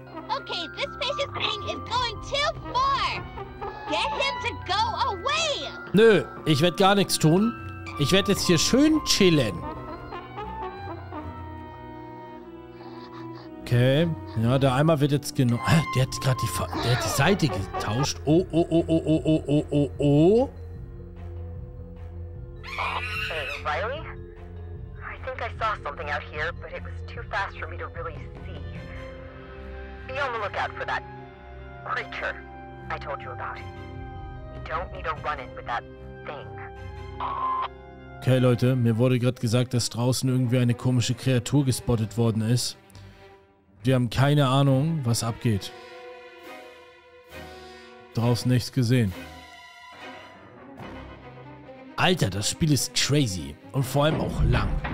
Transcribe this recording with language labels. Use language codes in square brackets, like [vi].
[en] Okay, this spacious thing is going too far. Get him to go away. [de] Nö, ich werde gar nichts tun. Ich werde jetzt hier schön chillen. Okay. Ja, der Eimer wird jetzt genommen. Der hat gerade die Seite getauscht. Oh, oh, oh, oh, oh, oh, oh, oh, oh. [en] Hey, Riley? I think I saw something out here, but it was too fast for me to really see. Be on the lookout for that creature I told you about. You don't need a run-in with that thing. [de] Okay, Leute, mir wurde gerade gesagt, dass draußen irgendwie eine komische Kreatur gespottet worden ist. Wir haben keine Ahnung, was abgeht. Draußen nichts gesehen. Alter, das Spiel ist crazy. Und vor allem auch lang.